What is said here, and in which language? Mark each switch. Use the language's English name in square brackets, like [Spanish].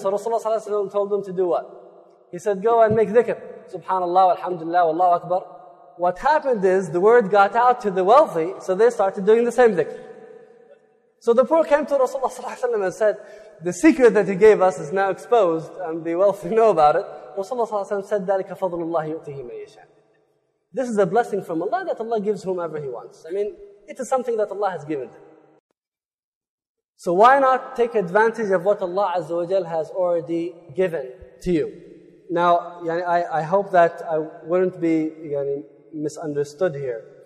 [English] So Rasulullah صلى الله عليه وسلم told them to do what? He said, go and make dhikr. Subhanallah, alhamdulillah, wallahu akbar. What happened is, the word got out to the wealthy, so they started doing the same dhikr. So the poor came to Rasulullah صلى الله عليه وسلم and said, the secret that he gave us is now exposed, and the wealthy know about it. Rasulullah صلى الله عليه وسلم said, [Arabic] ذَلِكَ فَضْلُ اللَّهِ يُؤْتِهِ مَنْ يَشَاءُ. [English] This is a blessing from Allah that Allah gives whomever He wants. I mean, it is something that Allah has given them. So why not take advantage of what Allah Azza wa Jal has already given to you? Now, I hope that I wouldn't be misunderstood here.